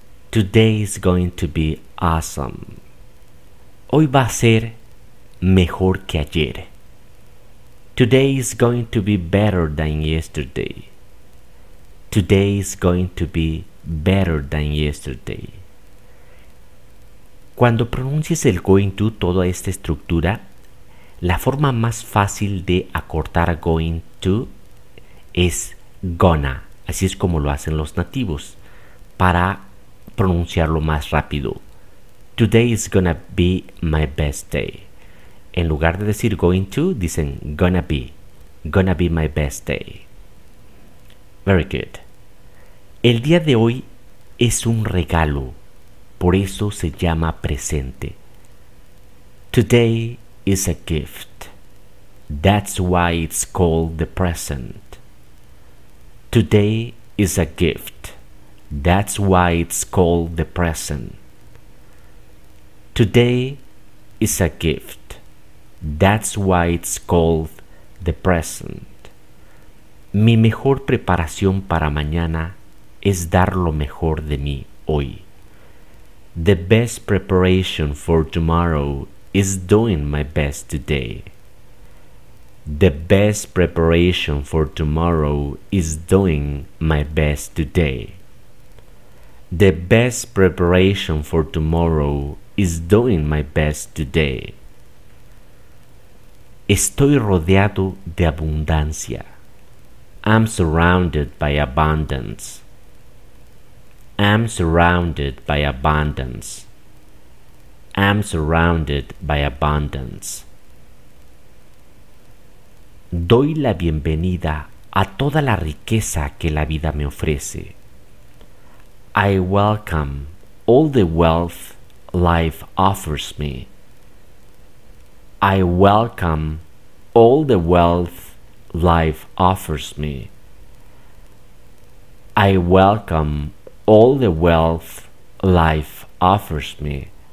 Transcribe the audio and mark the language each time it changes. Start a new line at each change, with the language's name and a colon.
English: Today is going to be awesome.
Spanish: Hoy va a ser mejor que ayer.
English: Today is going to be better than yesterday. Today is going to be better than yesterday.
Spanish: Cuando pronuncies el going to, toda esta estructura, la forma más fácil de acortar going to es gonna. Así es como lo hacen los nativos para pronunciarlo más rápido.
English: Today is gonna be my best day.
Spanish: En lugar de decir going to, dicen gonna be.
English: Gonna be my best day. Very good.
Spanish: El día de hoy es un regalo. Por eso se llama presente.
English: Today is a gift. That's why it's called the present. Today is a gift. That's why it's called the present. Today is a gift. That's why it's called the present.
Spanish: Mi mejor preparación para mañana es dar lo mejor de mí hoy.
English: The best preparation for tomorrow is doing my best today. The best preparation for tomorrow is doing my best today. The best preparation for tomorrow is doing my best today.
Spanish: Estoy rodeado de abundancia.
English: I'm surrounded by abundance. I'm surrounded by abundance. I'm surrounded by abundance.
Spanish: Doy la bienvenida a toda la riqueza que la vida me ofrece.
English: I welcome all the wealth life offers me. I welcome all the wealth life offers me. I welcome all the wealth life offers me.